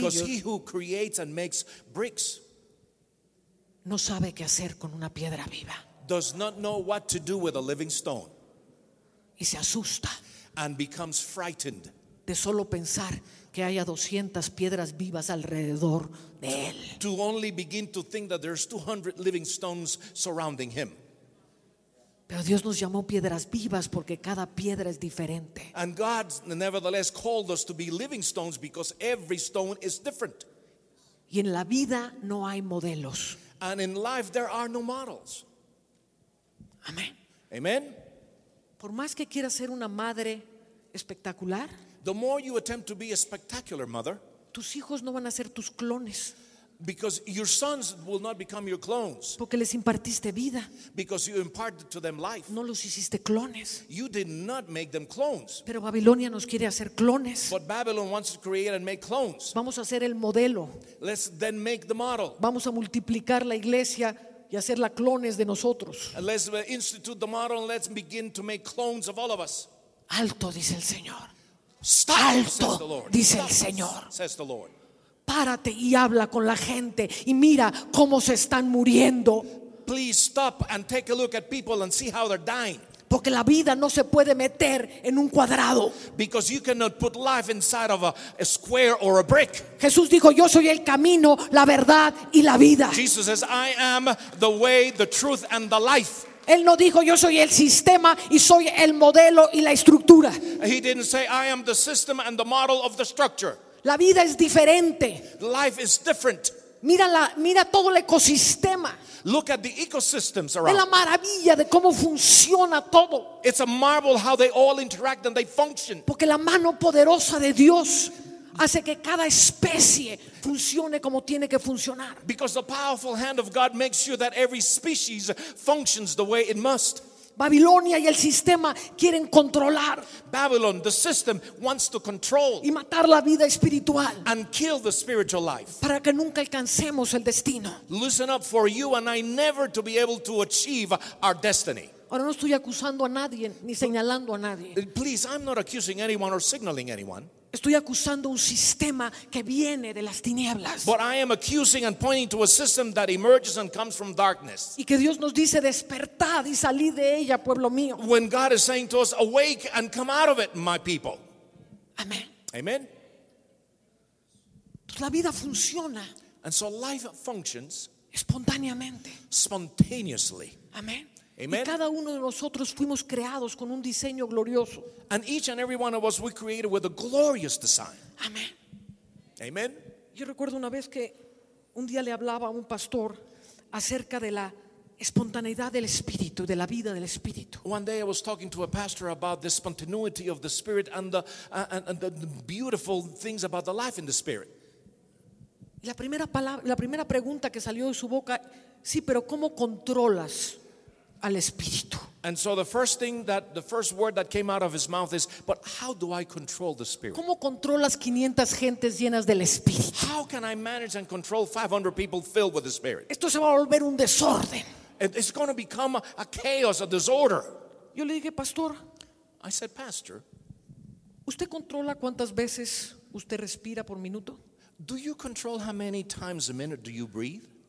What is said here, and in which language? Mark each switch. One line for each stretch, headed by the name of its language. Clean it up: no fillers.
English: Because he who creates and makes bricks.
Spanish: No sabe qué hacer con una piedra viva.
English: Does not know what to do with a living stone.
Spanish: Y se asusta.
English: And becomes frightened.
Spanish: De solo pensar que haya 200 piedras vivas alrededor de él.
English: To only begin to think that there's 200 living stones surrounding him.
Spanish: Pero Dios nos llamó piedras vivas porque cada piedra es diferente.
English: And God nevertheless called us to be living stones because every stone is different.
Spanish: Y en la vida no hay modelos.
English: And in life there are no models.
Spanish: Amén.
English: Amen.
Spanish: Por más que quieras ser una madre espectacular,
English: the more you attempt to be a spectacular mother,
Spanish: tus hijos no van a ser tus clones.
English: Because your sons will not become your clones.
Spanish: Porque les impartiste vida.
English: Because you imparted to them life.
Spanish: No los hiciste clones.
English: You did not make them clones.
Spanish: Pero Babilonia nos quiere hacer clones.
English: But Babylon wants to create and make clones.
Spanish: Vamos a hacer el modelo.
English: Let's then make the model.
Spanish: Vamos a multiplicar la iglesia y hacerla clones de nosotros.
English: And let's institute the model and let's begin to make clones of all of us.
Spanish: Alto, dice el Señor.
English: Stop,
Spanish: alto,
English: says the Lord.
Spanish: Dice
English: stop,
Spanish: el Señor.
English: Says the Lord.
Spanish: Párate y habla con la gente y mira cómo se están muriendo.
English: Please stop and take a look at people and see how they're dying.
Spanish: Porque la vida no se puede meter en un cuadrado.
English: Because you cannot put life inside of a square or a brick.
Spanish: Jesús dijo, yo soy el camino, la verdad y la vida.
English: Jesus says, I am the way, the truth and the life.
Spanish: Él no dijo, yo soy el sistema y soy el modelo y la estructura.
English: He didn't say, I am the system and the model of the structure.
Spanish: La vida es diferente.
English: Life is different.
Spanish: Mira todo el ecosistema.
English: Look at the ecosystems around.
Spanish: Es la maravilla de cómo funciona todo.
English: It's a marvel how they all interact and they function.
Spanish: Porque la mano poderosa de Dios hace que cada especie funcione como tiene que funcionar.
English: Because the powerful hand of God makes sure that every species functions the way it must.
Spanish: Babilonia y el sistema quieren controlar.
English: Babylon, the system, wants to control.
Spanish: Y matar la vida espiritual.
English: And kill the spiritual life.
Spanish: Para que nunca alcancemos el destino.
English: Listen up for you and I never to be able to achieve our destiny.
Spanish: Ahora no estoy acusando a nadie ni señalando a nadie.
English: Please, I'm not accusing anyone or signaling anyone.
Spanish: Estoy acusando un sistema que viene de las tinieblas.
English: But I am accusing and pointing to a system that emerges and comes from darkness.
Spanish: Y que Dios nos dice, despertad y salid de ella, pueblo mío.
English: When God is saying to us, awake and come out of it, my people.
Spanish: Amen.
English: Amen.
Spanish: La vida funciona.
English: And so life functions
Spanish: espontáneamente.
English: Spontaneously.
Spanish: Amen.
English: Amen.
Spanish: Y cada uno de nosotros fuimos creados con un diseño glorioso.
English: And each and every one of us we created with a glorious design.
Spanish: Amen.
English: Amen.
Spanish: Yo recuerdo una vez que un día le hablaba a un pastor acerca de la espontaneidad del espíritu, de la vida del espíritu.
English: One day I was talking to a pastor about the spontaneity of the spirit and the beautiful things about the life in the spirit.
Spanish: Y la primera pregunta que salió de su boca, sí, pero ¿cómo controlas al espíritu?
English: And so the first word that came out of his mouth is, but how do I control the spirit?
Spanish: ¿Cómo controlas 500 gentes llenas del espíritu?
English: How can I manage and control 500 people filled with the spirit?
Spanish: Esto se va a volver un desorden.
English: It's going to become a chaos, a disorder.
Spanish: Yo le dije, pastor.
English: I said, pastor.
Spanish: ¿Usted controla cuántas veces usted respira por minuto?
English: Do you control how many times a minute do you breathe?